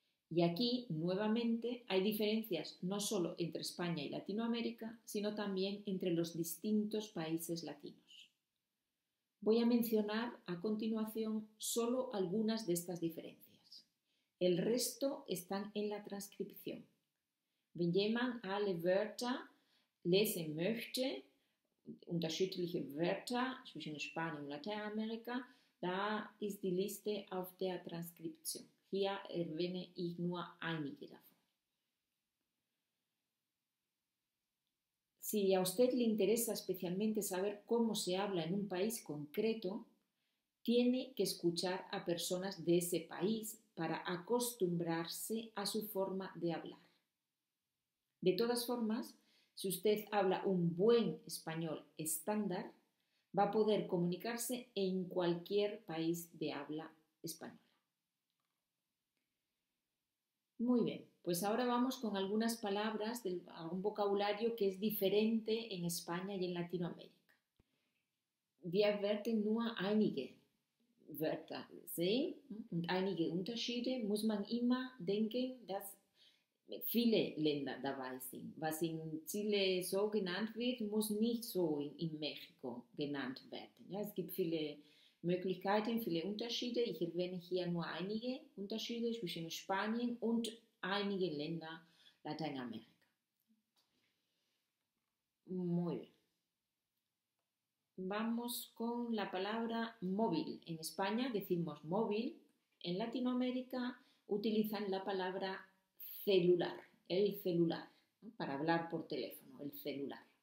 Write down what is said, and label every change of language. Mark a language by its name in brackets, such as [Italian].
[Spanish] Y aquí, nuevamente, hay diferencias no solo entre España y Latinoamérica, sino también entre los distintos países latinos. Voy a mencionar a continuación solo algunas de estas diferencias. El resto están en la transcripción. [German] Wenn jemand alle Wörter lesen möchte, unterschiedliche Wörter zwischen Spanien und Lateinamerika, da ist die Liste auf der Transkription. Hier erwähne ich nur einige davon. [Spanish] Si a usted le interesa especialmente saber cómo se habla en un país concreto, tiene que escuchar a personas de ese país para acostumbrarse a su forma de hablar. De todas formas, si usted habla un buen español estándar, va a poder comunicarse en cualquier país de habla española. Muy bien, pues ahora vamos con algunas palabras de un vocabulario que es diferente en España y en Latinoamérica. [German] Wir werden nur einige Wörter sehen und einige Unterschiede muss man immer denken, dass viele Länder dabei sind. Was in Chile so genannt wird, muss nicht so in Mexiko genannt werden. Ja, es gibt viele Möglichkeiten, viele Unterschiede. Ich erwähne hier nur einige Unterschiede zwischen Spanien und einigen Ländern Lateinamerika. [Spanish] Muy bien. Vamos con la palabra móvil. En España decimos móvil. En Latinoamérica utilizan la palabra celular, el celular, ¿no? Para hablar por teléfono, el celular.